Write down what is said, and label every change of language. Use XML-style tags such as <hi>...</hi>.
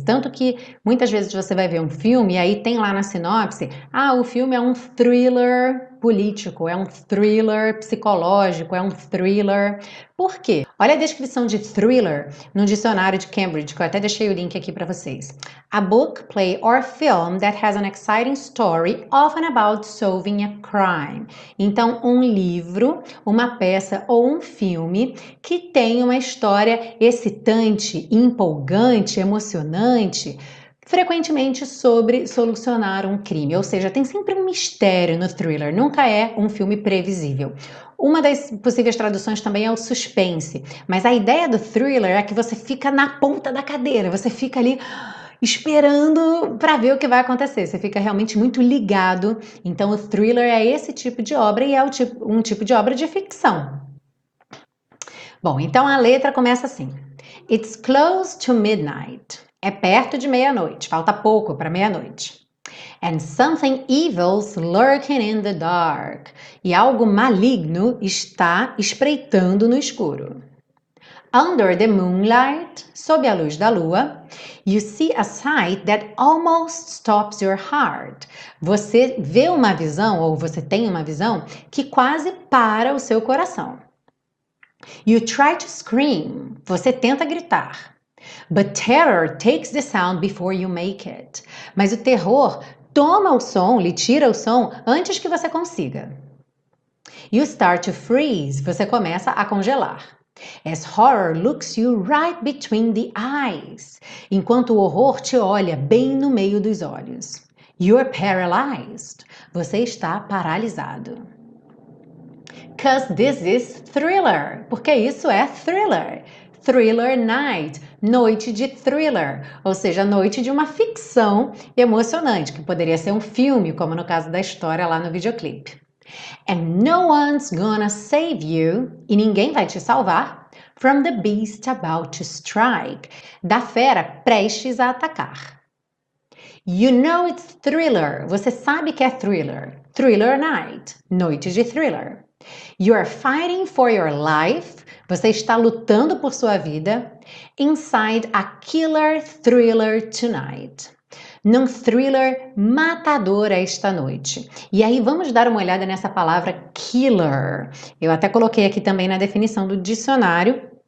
<pt>Tanto que muitas vezes você vai ver um filme e aí tem lá na sinopse: ah, o filme é um thriller político, é um thriller psicológico, é um thriller. Por quê? Olha a descrição de thriller no dicionário de Cambridge, que eu até deixei o link aqui para vocês.</pt> <en>A book, play or film that has an exciting story, often about solving a crime.</en> <pt>Então, um livro, uma peça ou um filme que tem uma história excitante, empolgante, emocionante, frequentemente sobre solucionar um crime, ou seja, tem sempre um mistério no thriller, nunca é um filme previsível. Uma das possíveis traduções também é o suspense, mas a ideia do thriller é que você fica na ponta da cadeira, você fica ali esperando para ver o que vai acontecer, você fica realmente muito ligado. Então, o thriller é esse tipo de obra e é um tipo de obra de ficção. Bom, então a letra começa assim:</pt> <en>It's close to midnight.</en> <pt>É perto de meia-noite, falta pouco para meia-noite.</pt> <en>And something evil's lurking in the dark.</en> <pt>E algo maligno está espreitando no escuro.</pt> <en>Under the moonlight,</en> <pt>sob a luz da lua,</pt> <en>you see a sight that almost stops your heart. Você vê uma visão, ou você tem uma visão, que quase para o seu coração. You try to scream,</en> <pt>você tenta gritar.</pt> <en>But terror takes the sound before you make it.</en> <pt>Mas o terror toma o som, lhe tira o som antes que você consiga.</pt> <en>You start to freeze.</en> <pt>Você começa a congelar.</pt> <en>As horror looks you right between the eyes.</en> <pt>Enquanto o horror te olha bem no meio dos olhos.</pt> <en>You're paralyzed.</en> <pt>Você está paralisado.</pt> <en>'Cause this is thriller.</en> <pt>Porque isso é thriller.</pt> <en>Thriller night.</en> <pt>Noite de thriller. Ou seja, noite de uma ficção emocionante, que poderia ser um filme, como no caso da história lá no videoclipe.</pt> <en>And no one's gonna save you.</en> <pt>E ninguém vai te salvar.</pt> <en>From the beast about to strike.</en> <pt>Da fera prestes a atacar.</pt> <en>You know it's thriller.</en> <pt>Você sabe que é thriller.</pt> <en>Thriller night.</en> <pt>Noite de thriller.</pt> <en>You are fighting for your life.</en> <pt>Você está lutando por sua vida.</pt> <en>Inside a killer thriller tonight.</en> <pt>Num thriller matador esta noite. E aí vamos dar uma olhada nessa palavra killer. Eu até coloquei aqui também na definição do dicionário.</pt>